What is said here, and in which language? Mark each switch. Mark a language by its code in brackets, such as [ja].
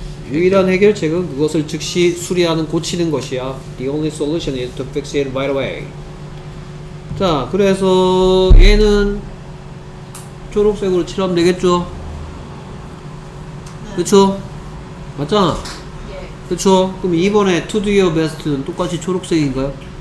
[ko] 유일한 해결책은 그것을 즉시 수리하는, 고치는 것이야. [en] The only solution is to fix it right away. [ko] 자, 그래서 얘는 초록색으로 칠하면 되겠죠? 그쵸? 맞잖아? 그쵸? 그럼 이번에 [en] To Do Your Best [ko] 는 똑같이 초록색인가요?